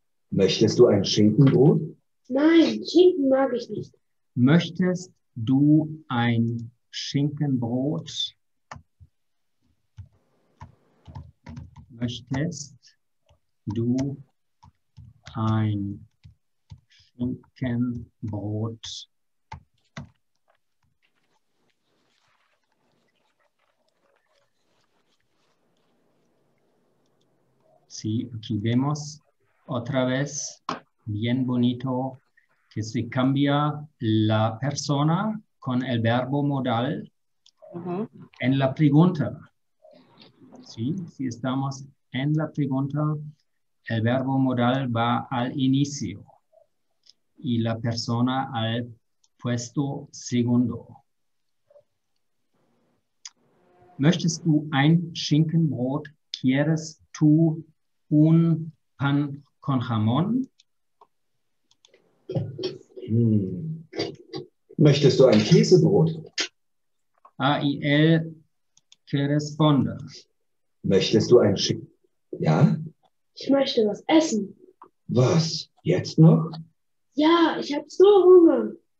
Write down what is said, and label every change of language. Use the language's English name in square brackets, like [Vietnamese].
[German] Möchtest du ein Schinkenbrot? Nein, Schinken mag ich nicht. Möchtest du ein Schinkenbrot? möchtest du ein Schinkenbrot [Spanish] Sí, aquí vemos otra vez, bien bonito, que se cambia la persona con el verbo modal en la pregunta. Sí, si estamos en la pregunta, el verbo modal va al inicio y la persona al puesto segundo. [German] ¿Möchtest tú ein Schinkenbrot? [Spanish] ¿Quieres tú un pan con jamón? [German] ¿Möchtest du ein Käsebrot? [Spanish] Ah, y él que responde. [German] ¿Möchtest du ein Schinken? Ja? Ich möchte was essen. Was? Jetzt noch? Ja, ich habe so Hunger.